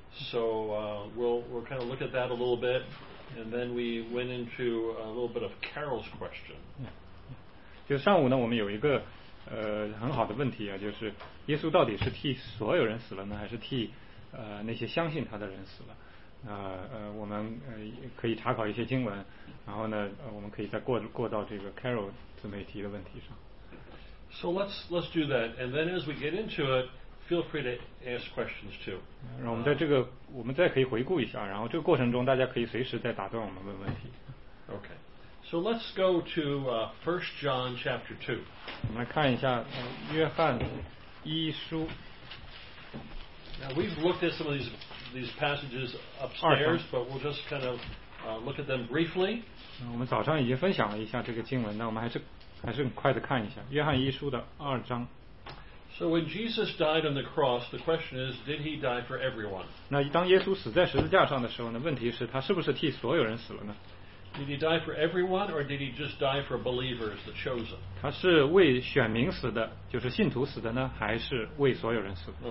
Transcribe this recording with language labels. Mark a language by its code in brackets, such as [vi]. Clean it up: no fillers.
[en] So we'll kind of look at that a little bit. And then we went into a little bit of Carol's question. Yeah. [zh] 就上午呢，我们有一个很好的问题啊，就是耶稣到底是替所有人死了呢，还是替那些相信他的人死了？我们可以查考一些经文，然后呢，我们可以再过到这个 Carol 姊妹提的问题上。 [en] So let's do that, and then as we get into it. Feel free to ask questions too. [zh] 然后我们在这个，我们再可以回顾一下。然后这个过程中，大家可以随时再打断我们问问题。 [en] Okay, so let's go to First John chapter 2. [zh] 我们来看一下约翰一书。 [en] Now we've looked at some of these passages upstairs, but we'll just kind of look at them briefly. [zh] 我们早上已经分享了一下这个经文，那我们还是很快的看一下约翰一书的二章。 [en] So when Jesus died on the cross, the question is, did he die for everyone? [zh] 那当耶稣死在十字架上的时候呢？问题是，他是不是替所有人死了呢 [en] ？Did he die for everyone, or did he just die for believers, the chosen? [zh] 他是为选民死的，就是信徒死的呢，还是为所有人死的